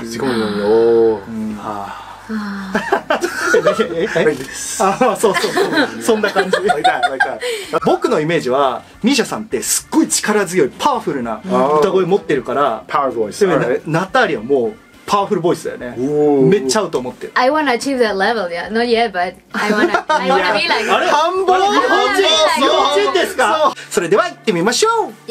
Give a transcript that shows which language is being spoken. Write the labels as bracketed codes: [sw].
[ja] 包み込むように。おー、うん、はぁ、ああ、そうそうそう、そんな感じ。僕のイメージは、ミーシャさんってすっごい力強いパワフルな歌声持ってるから、パワーボイス。でもナタリアもうパワフルボイスだよね。めっちゃ合うと思ってる。 [en] I wanna achieve that level. Yeah, not yet, but I wanna be like that. [ja] 半分日本人、日本人ですか。それでは行ってみましょう。